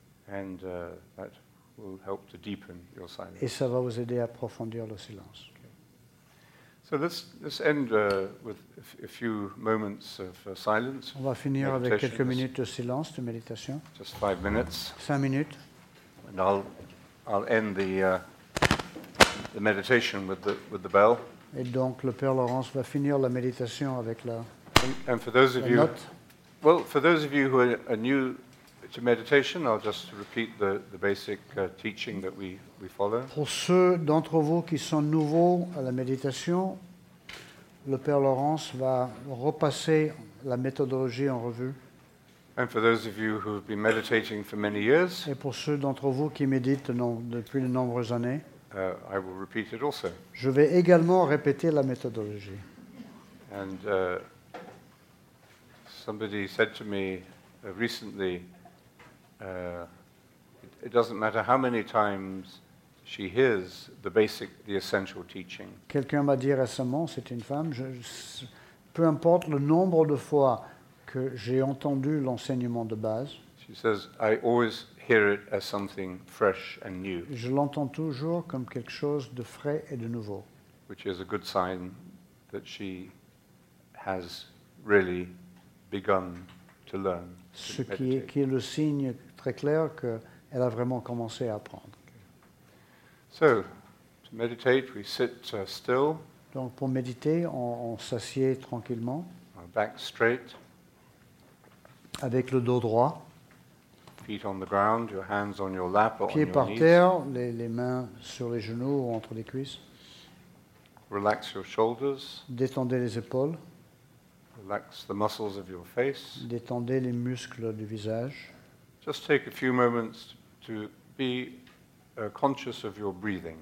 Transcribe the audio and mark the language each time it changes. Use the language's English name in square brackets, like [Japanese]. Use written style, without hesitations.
[English] And that will help to deepen your silence. [French] Et ça va vous aider à approfondir le silence. [English] Okay. So let's end with a few moments of silence. [French] On va finir meditation. Avec quelques minutes de silence, de méditation. [English] Just 5 minutes. [French] 5 minutes. [English] And I'll end the meditation with the bell. [French] Et donc le Père Laurence va finir la méditation avec la note. [English] And for those of you, for those of you who are new to meditation, I'll just repeat the basic teaching that we follow. [French] Pour ceux d'entre vous qui sont nouveaux à la méditation, le Père Laurence va repasser la méthodologie en revue. [English] And for those of you who have been meditating for many years, [French] et pour ceux d'entre vous qui méditent depuis de nombreuses années, [English] I will repeat it also. [French] Je vais également répéter la méthodologie. [English] And somebody said to me recently, it doesn't matter how many times she hears the basic, the essential teaching. [French] Quelqu'un m'a dit récemment, c'est une femme, peu importe le nombre de fois que j'ai entendu l'enseignement de base. [English] She says, I always hear it as something fresh and new. [French] Je l'entends toujours comme quelque chose de frais et de nouveau. [English] Which is a good sign that she has really begun to learn. [French] Ce qui est le signe très clair qu'elle a vraiment commencé à apprendre. [English] So, to meditate, we sit still. [French] Donc, pour méditer, on s'assied tranquillement. [English] Our back straight. [French] Avec le dos droit. [English] Feet on the ground, your hands on your lap or on your knees. [French] Pieds par terre, les mains sur les genoux ou entre les cuisses. [English] Relax your shoulders. [French] Détendez les épaules. [English] Relax the muscles of your face. [French] Détendez les muscles du visage. [English] Just take a few moments to be conscious of your breathing.